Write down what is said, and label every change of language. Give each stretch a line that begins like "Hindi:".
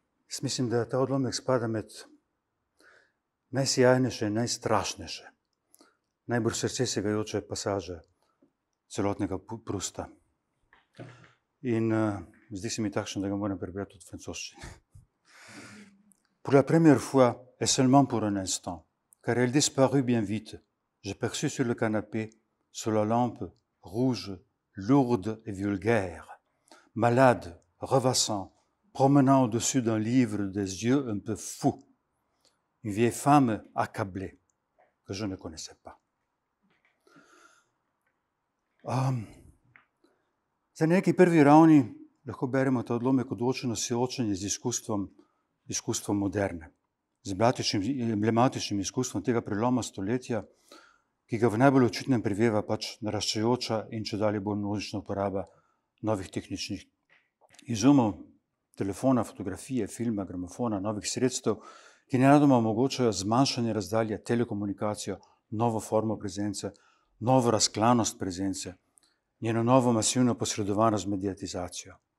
Slovenian: Jaz mislim, da ta odlomek spada med najsijajnejše in najstrašnejše, najbolj srce segajoče pasaže celotnega Prusta. In zdi se mi takšen, da ga moram prebrati tudi v francoščini.
French: Pour la première fois, et seulement pour un instant, car elle disparut bien vite, j'ai perçu sur le canapé, sous la lampe, rouge, lourde et vulgaire, malade, rêvassant, promenant au-dessus d'un livre des yeux un peu fous, une vieille femme accablée, que je ne connaissais pas.
Slovenian: Za neki prvi ravni lahko beremo ta odlomek odločeno soočenje z iskustvom moderne, z blatičnim, emblematičnim iskustvom tega preloma stoletja, ki ga v najbolj očitnem priveva pač naraščajoča in če dalje bolj množična uporaba novih tehničnih izumov, telefona, fotografije, filma, gramofona, novih sredstev, ki nenadoma omogočajo zmanjšanje razdalje, telekomunikacijo, novo formo prezence, novo razklanost prezence, njeno novo masivno posredovano z mediatizacijo.